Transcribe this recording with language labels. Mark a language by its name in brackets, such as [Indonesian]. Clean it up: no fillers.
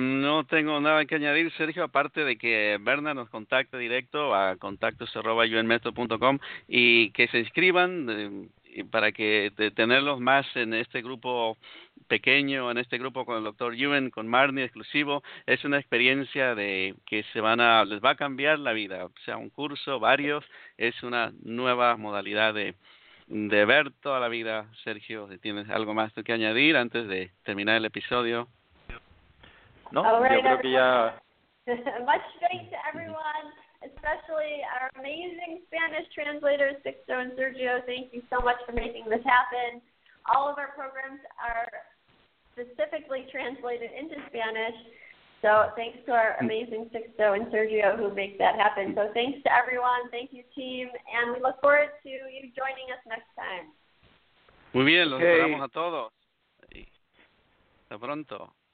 [Spanish] No tengo nada que añadir, Sergio, aparte de que Berna nos contacte directo a contactos@yuenmethod.com y que se inscriban para que tenerlos más en este grupo pequeño, en este grupo con el doctor Yuen, con Marnie exclusivo. Es una experiencia de que les va a cambiar la vida, o sea, un curso, varios, es una nueva modalidad de ver toda la vida. Sergio, si tienes algo más que añadir antes de terminar el episodio. No, right, yo creo [English] everyone. [Spanish] Que ya... [English] Much strength to everyone, especially our amazing Spanish translators, Sixto and Sergio. Thank you so much for making this happen. All of our programs are specifically translated into Spanish. So thanks to our amazing Sixto and Sergio who make that happen. So thanks to everyone. Thank you, team. And we look forward to you joining us next time. [Spanish] Muy bien, los esperamos a todos. Hasta pronto.